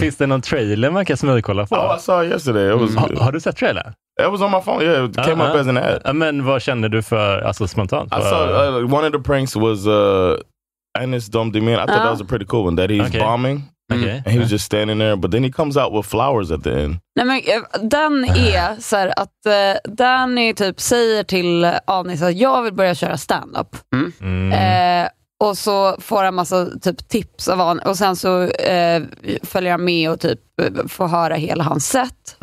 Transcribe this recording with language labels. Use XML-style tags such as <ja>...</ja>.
<sv>Finns det någon trailer man kan smygkolla på?</sv> <en>Oh, I saw it yesterday. It was good.</en> <sv>Har du sett trailer?</sv> <en>It was on my phone. Yeah, it came up as an ad.</en> <sv>Men vad kände du för, alltså, spontant?</sv> <en>I saw one of the pranks was Anis Domdemir. I thought that was a pretty cool one. That he's bombing. Okay. And he was just standing there, but then he comes out with flowers at the end.</en> <sv>Nej, men den är så här att Danny typ säger till Anis att jag vill börja köra stand-up. Och så får han massa typ tips av honom. Och sen så följer han med och typ får höra hela hans set.</sv>